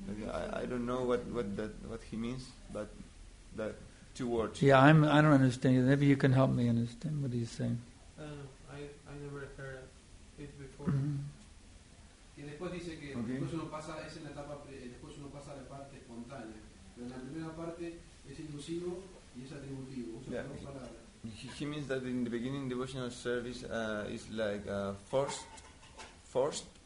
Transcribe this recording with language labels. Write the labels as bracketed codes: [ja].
[en] I don't know what he means, but that two words. Yeah, I don't understand. Maybe you can help me understand what he's saying. I never heard it before. [es] Y después dice que después uno pasa, es en la etapa, después uno pasa a la parte espontánea. En la primera parte es inclusivo y es atributivo. [en] He means that in the beginning devotional service is like forced.